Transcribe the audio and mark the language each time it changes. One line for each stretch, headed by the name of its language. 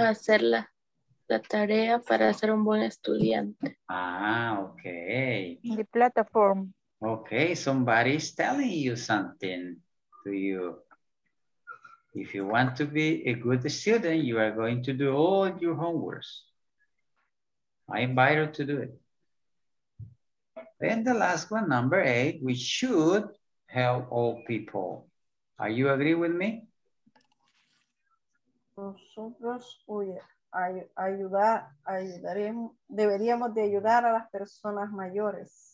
Spanish: Hacer la tarea para ser un buen estudiante.
English: Ah, okay. In the platform. Okay, somebody is telling you something to you. If you want to be a good student, you are going to do all your homeworks. I invite you to do it. Then the last one, number eight, we should help all people. Are you agree with me?
Spanish: Nosotros, oye, ayudaremos, deberíamos de ayudar a las personas mayores.